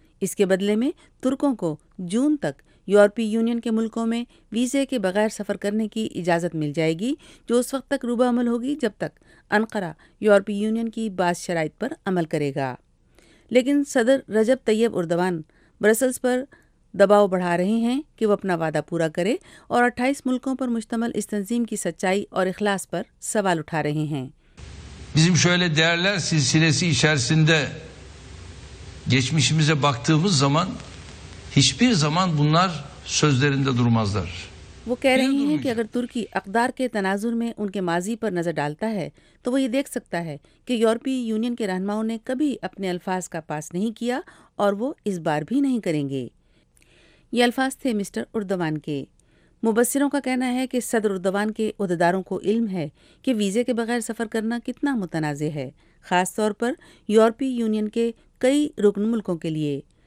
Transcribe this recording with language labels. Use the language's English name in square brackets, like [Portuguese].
[Urdu] اس کے بدلے میں ترکوں کو جون تک یورپی یونین کے ملکوں میں ویزے کے بغیر سفر کرنے کی اجازت مل جائے گی، جو اس وقت تک روبہ عمل ہوگی جب تک انقرہ یورپی یونین کی بعض شرائط پر عمل کرے گا. لیکن صدر رجب طیب اردوان برسلز پر دباؤ بڑھا رہے ہیں کہ وہ اپنا وعدہ پورا کرے اور 28 ملکوں پر مشتمل اس تنظیم کی سچائی اور اخلاص پر سوال اٹھا رہے ہیں. [Turkish] bizim şöyle değerler silsilesi içerisinde geçmişimize baktığımız zaman hiçbir zaman bunlar sözlerinde durmazlar. [Urdu] وہ کہہ رہی ہیں کہ اگر ترکی اقدار کے تناظر میں ان کے ماضی پر نظر ڈالتا ہے تو وہ یہ دیکھ سکتا ہے کہ یورپی یونین کے رہنماؤں نے کبھی اپنے الفاظ کا پاس نہیں کیا اور وہ اس بار بھی نہیں کریں گے. یہ الفاظ تھے مسٹر اردوان کے. مبصروں کا کہنا ہے کہ صدر اردوان کے عہدیداروں کو علم ہے کہ ویزے کے بغیر سفر کرنا کتنا متنازع ہے، خاص طور پر یورپی یونین کے کئی رکن ملکوں کے لیے.